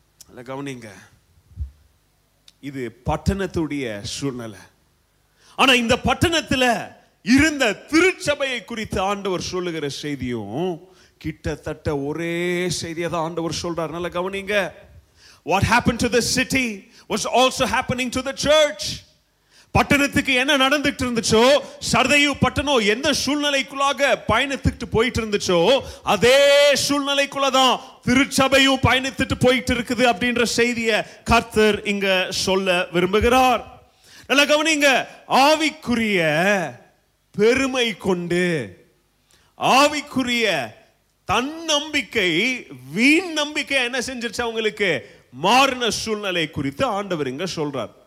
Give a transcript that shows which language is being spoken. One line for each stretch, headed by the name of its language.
Tamil: அதை கவனிங்க, இது பட்டணத்துடைய சூழ்நிலை. ஆனா இந்த பட்டணத்துல இருந்த திருச்சபையை குறித்து ஆண்டவர் சொல்லுகிற செய்தியும் கிட்டத்தட்ட ஒரே செய்தியை தான் ஆண்டவர் சொல்றார். நல்லா கவனிங்க,
English: What happened to the city was also happening to the church.
Tamil: பட்டணத்துக்கு என்ன நடந்துட்டு இருந்துச்சோ, சர்தேயு பட்டணம் எந்த சூழ்நிலைக்குள்ளாக பயணித்துட்டு போயிட்டு இருந்துச்சோ, அதே சூழ்நிலைக்குள்ளதான் திருச்சபையும் பயணித்துட்டு போயிட்டு இருக்குது அப்படின்ற செய்தியை கர்த்தர் இங்க சொல்ல விரும்புகிறார். நல்லா கவனிங்க, ஆவிக்குரிய பெருமை கொண்டு, ஆவிக்குரிய தன்னம்பிக்கை வீண் நம்பிக்கை என்ன செஞ்சிருச்சு அவங்களுக்கு, மாறின சூழ்நிலை குறித்து ஆண்டவர் இங்க சொல்றார்.